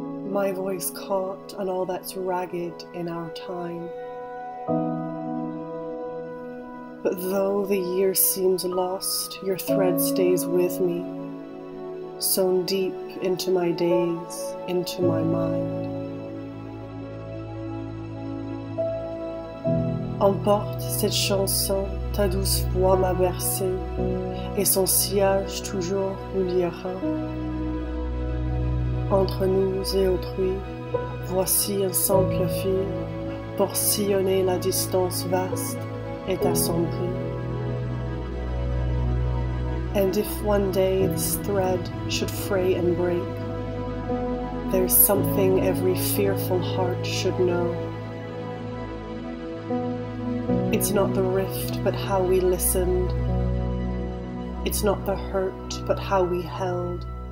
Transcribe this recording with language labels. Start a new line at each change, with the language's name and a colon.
English: My voice caught on all that's ragged in our time. But though the year seems lost, your thread stays with me, sewn deep into my days, into my mind.
French: Emporte cette chanson, ta douce voix m'a bercé, et son sillage toujours oubliera. Entre nous et autrui, voici un simple fil pour sillonner la distance vaste et assombrie.
English: And if one day this thread should fray and break, there's something every fearful heart should know. It's not the rift, but how we listened. It's not the hurt, but how we held.